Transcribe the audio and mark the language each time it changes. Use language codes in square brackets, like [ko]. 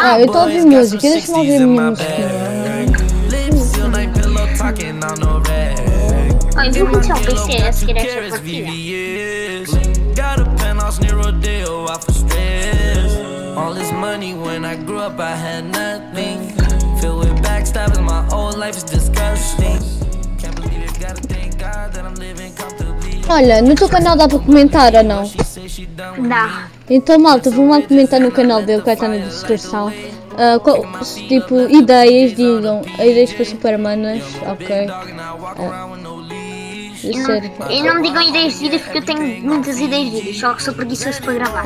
[pt] Ah, eu tô ouvindo música, deixa eu ouvir minha música. [en] All this money when I grew up I had nothing. Filled with backstabbing, my whole life is disgusting. Can't believe it, gotta thank God that I'm living comfortably. [pt] Olha, no teu canal dá para comentar ou não? Dá. Então malta, vão lá comentar no canal dele que vai estar na descrição. Tipo, ideias, digam. Ideias para supermanas, ok. Eu não me digam ideias de vídeo porque eu tenho muitas ideias de vídeo, só que sou preguiçoso para gravar.